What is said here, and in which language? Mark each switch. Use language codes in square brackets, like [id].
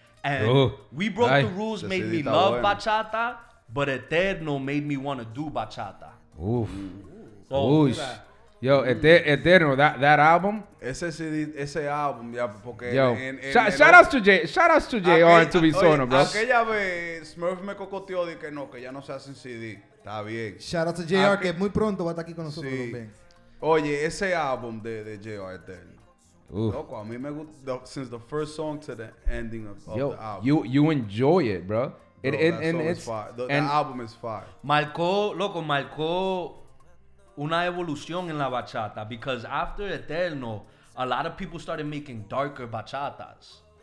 [en] And we broke the rules, made me love bueno. Bachata, but Eterno made me want to do Bachata. Uf. Ush. Yo, Eterno, that album. [es] Ese CD, ese álbum, ya, porque... [en] Yo, shout outs to JR and to Bisono, bro. [es] Aquella vez, Smurf me cocoteó de que no, que ya no se hacen CD. Está bien. [en] Shout outs to JR, [es] que muy pronto va a estar aquí con nosotros. Sí. Oye, ese álbum de JR Eterno. Loco, a mí me gusta, [en] since the first song to the ending of yo, the album. You enjoy it, bro. The album is fire. [es] Marcó una evolución en la bachata, [en] because after Eterno, a lot of people started making darker bachatas.